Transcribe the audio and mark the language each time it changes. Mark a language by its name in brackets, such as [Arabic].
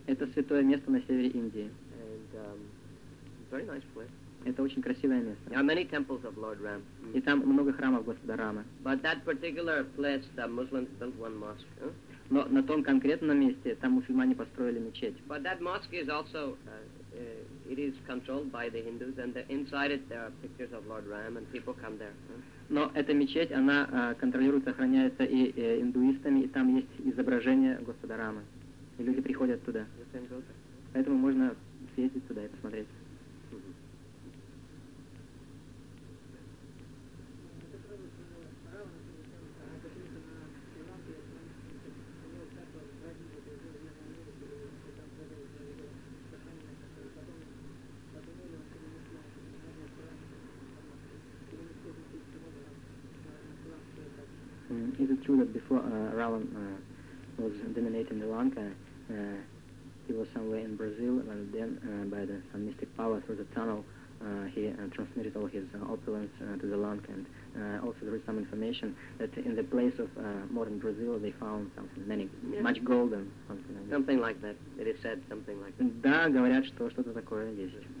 [Russian] Это святое место на севере Индии. [English] And very nice place. [Russian] Это очень красивое место. [English] There are many temples of Lord Ram. [Russian] И там много храмов Господа Рамы. [English] But that particular place, the Muslims built one mosque. Huh? [Russian] Но на том конкретном месте там мусульмане построили мечеть. [English] But that mosque is also it is controlled by the Hindus, and the, inside it there are pictures of Lord Ram, and people come there. Huh? [Russian] Но эта мечеть она контролируется, охраняется и индуистами, и там есть изображение Господа Рамы, и люди приходят туда. Поэтому можно съездить туда и посмотреть. [English] Is it true that before Ravan was dominating in the Lanka, he was somewhere in Brazil, and then by the some mystic power through the tunnel, he transmitted all his opulence to the Lanka? And also there is some information that in the place of modern Brazil, they found something, much gold and something like that. It is said something like that. [Russian] Да, говорят, что что-то такое есть.